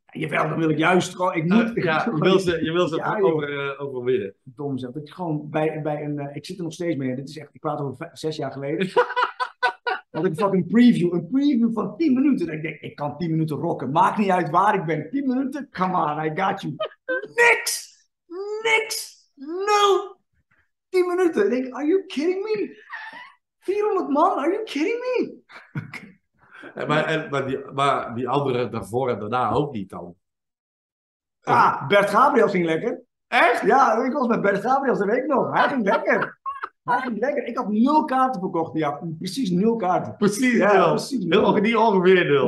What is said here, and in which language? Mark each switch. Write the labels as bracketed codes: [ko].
[nl] Ja, jawel, dan wil ik juist gewoon, ik moet... Ja, je wil ze ja, overwinnen. Dom zelf, dat je gewoon bij een... ik zit er nog steeds mee, dit is echt, ik praat over 6 jaar geleden. Had ik fucking een preview van 10 minuten. En ik denk, ik kan 10 minuten rocken, maakt niet uit waar ik ben. 10 minuten, [en] come on, I got you. [nl] Niks, nul. [en] 10 minuten, [nl] ik denk, [en] are you kidding me? 400 man, are you kidding me? [nl] Maar, en, maar die andere daarvoor en daarna ook niet dan. Ah, Bert Gabriel ging lekker. Echt? Ja, ik was met Bert Gabriel, dat weet ik nog. Hij ging lekker. Hij ging lekker. Ik had 0 kaarten verkocht. Ja, precies 0 kaarten. Precies nul. Ja, precies nul. Nul, niet ongeveer nul.